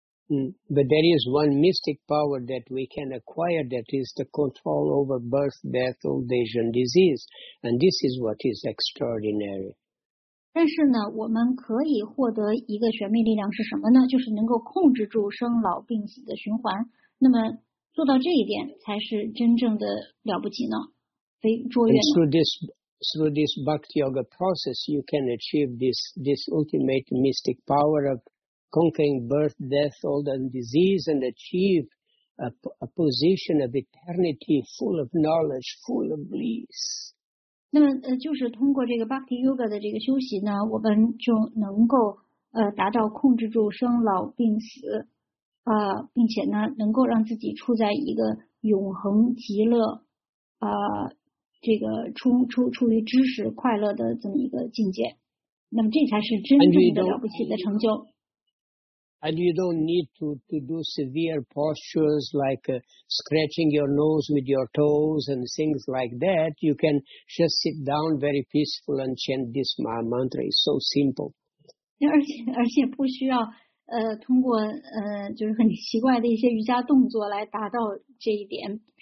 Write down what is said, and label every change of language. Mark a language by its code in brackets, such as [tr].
[en] But there is one mystic power that we can acquire, that is the control over birth, death, old age, and disease. And this is what is extraordinary. [zh] 但是呢，我们可以获得一个玄秘力量是什么呢？就是能够控制住生老病死的循环。那么做到这一点才是真正的了不起呢，非卓越呢。 [en] And through this Bhakti Yoga process, you can achieve this ultimate mystic power of conquering birth, death, old and disease, and achieve a position of eternity full of knowledge, full of bliss. [zh] 那么就是通过这个 Bhakti Yoga 的这个修习呢，我们就能够达到控制住生老病死，并且呢能够让自己处在一个永恒极乐，这个处于知识快乐的这么一个境界。那么这才是真正的了不起的成就。 [en] And you don't need to do severe postures like scratching your nose with your toes and things like that. You can just sit down very peaceful and chant this mantra. It's so simple. [zh] 而且不需要通过就是很奇怪的一些瑜伽动作来达到这一点。